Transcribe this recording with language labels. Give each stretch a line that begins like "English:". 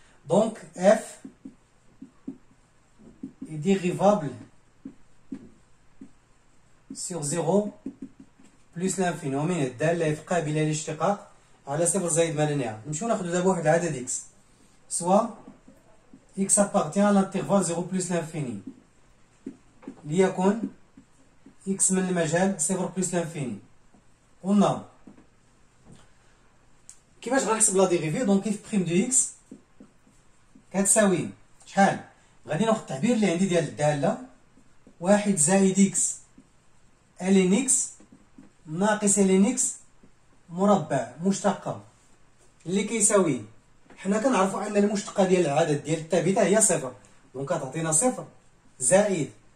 Arabic: دونك
French: f est dérivable sur 0 plus l'infini،
Arabic: ومن الدالة f قابلة للاشتقاق على صفر زائد ما لا نهاية. نمشيو ناخدو دابا واحد العدد x، سوا
French: x appartient à l'intervalle 0 plus l'infini
Arabic: ليكون x من المجال 0 plus l'infini. قلنا كيفاش غنحسب لا ديريفي؟ دونك اف بريم دو اكس كتساوي شحال؟ غادي ناخد التعبير اللي عندي ديال الداله، 1 زائد اكس ln اكس ناقص ln اكس مربع مشتقه اللي كيساوي، حنا كنعرفوا ان المشتقه ديال العدد ديال الثابته هي صفر، دونك كتعطينا صفر زائد.